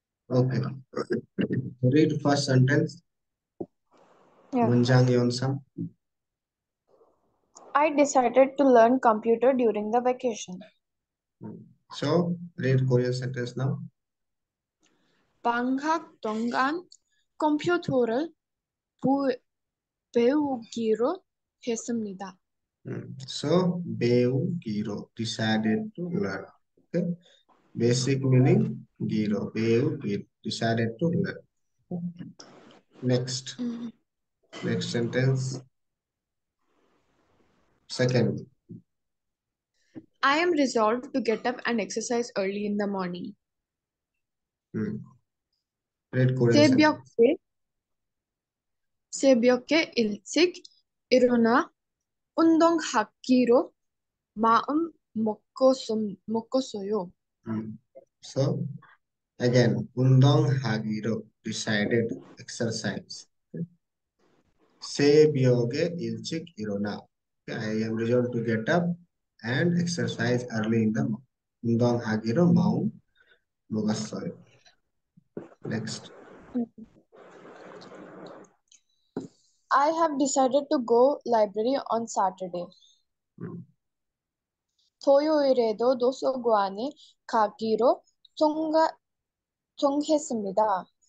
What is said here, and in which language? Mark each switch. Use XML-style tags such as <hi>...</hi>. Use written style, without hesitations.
<en>Okay, read first sentence. Munjang Yonsam. I decided to learn computer during the vacation. So, read Korean sentence now.</en> <ko>방학 동안 컴퓨터를 배우기로 했습니다.</ko> <en>So,</en> <ko>배우기로</ko> <en>decided to learn. Okay. Basic meaning,</en> <ko>기로, 배우기로</ko> <en>decided to learn. Next. Next sentence. Second. Am resolved to get up and exercise early in the morning. Read Korean sentence.</en> <ko>새벽에 일찍 일어나 운동하기로 마음 먹었어요.</ko> <en>So again,</en> <ko>운동하기로</ko> <en>decided exercise.</en> <ko>새벽에 일찍 일어나.</ko> <en>I am resolved to get up and exercise early in the morning.</en> <ko>운동하기로 마음 먹었어요.</ko> <en>Next. I have decided to go library on Saturday.</en> <ko>토요일에도 도서관에 가기로 정했습니다.</ko>